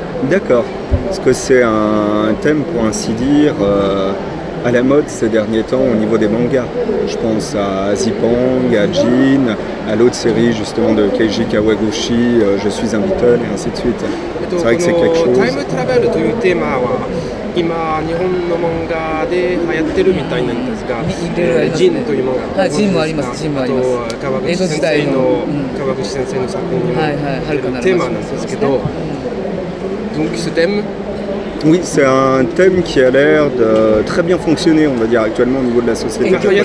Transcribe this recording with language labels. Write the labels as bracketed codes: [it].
[fr] D'accord. Est-ce que c'est un thème, pour ainsi dire, à la mode ces derniers temps au niveau des mangas? Je pense à Zipang, à Jin, à l'autre série justement de Keiji Kawaguchi, Je suis un Beatle, et ainsi de suite. C'est vrai que c'est quelque chose. [ja] Time travel, [fr] ce thème, [ja] 今日本の漫画で流行ってるみたいなんですが、ジンという漫画、ジンもあります、ジンもあります。あと川口先生の川口先生の作品にも出てるテーマなんですけど、 [fr] donc ce thème。 Oui, c'est un thème qui a l'air de très bien fonctionner, on va dire, actuellement au niveau de la société.